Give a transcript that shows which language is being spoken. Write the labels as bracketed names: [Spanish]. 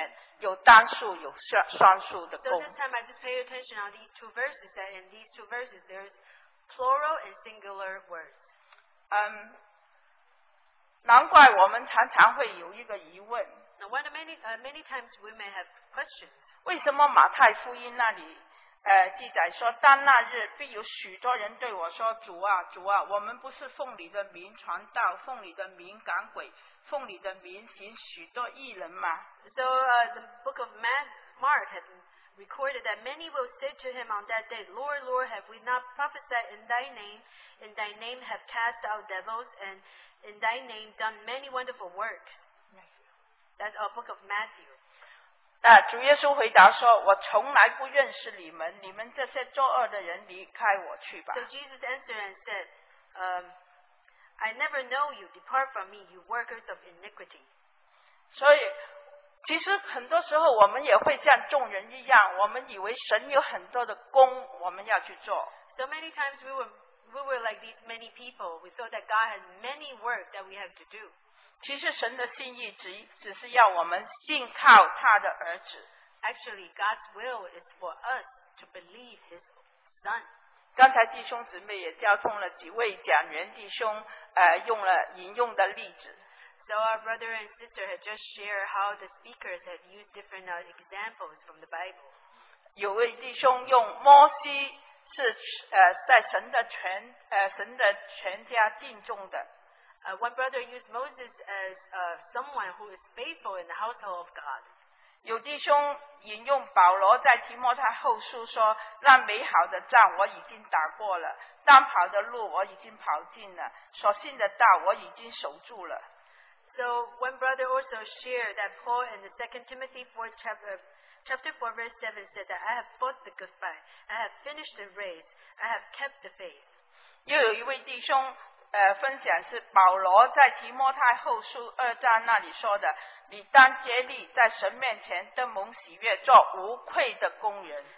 [Chinese] 这次我才知道原来这两节圣经里面有单数有双数的功。 [English] So this time I just pay attention on these two verses, that in these two verses there's plural and singular words. [Chinese] 难怪我们常常会有一个疑问。 [English] No wonder many times we may have questions. [Chinese] 为什么马太福音那里 记载说，当那日必有许多人对我说：“主啊，主啊，我们不是奉你的名传道，奉你的名赶鬼，奉你的名行许多异能吗？” [English] So the book of Mark had recorded that many will say to him on that day, "Lord, Lord, have we not prophesied in thy name? In thy name have cast out devils, and in thy name done many wonderful works." That's our book of Matthew. [Chinese] 主耶稣回答说，我从来不认识你们，你们这些作恶的人离开我去吧。 [English] So Jesus answered and said, I never know you, depart from me, you workers of iniquity. [Chinese] 所以, 其实很多时候我们也会像众人一样，我们以为神有很多的工我们要去做。 [English] So many times we were like these many people. We thought that God has many work that we have to do. [Chinese] 其实神的心意只是要我们信靠他的儿子。 [English] Actually, God's will is for us to believe His Son. [Chinese] 刚才弟兄姊妹也交通了几位讲员弟兄，用了引用的例子。 [English] So our brother and sister had just shared how the speakers had used different examples from the Bible. [Chinese] 有位弟兄用摩西是在神的全神的全家敬重的。 [English] One brother used Moses as someone who is faithful in the household of God. [Chinese] 有弟兄引用保罗在提摩太后书说，那美好的仗我已经打过了，当跑的路我已经跑尽了，所信的道我已经守住了。 [English] So one brother also shared that Paul in the 2 Timothy 4 chapter 4 verse 7 said that I have fought the good fight, I have finished the race, I have kept the faith. [Chinese] 又有一位弟兄分享是保罗在提摩太后书二章那里说的，你当竭力在神面前登蒙喜悦，做无愧的工人。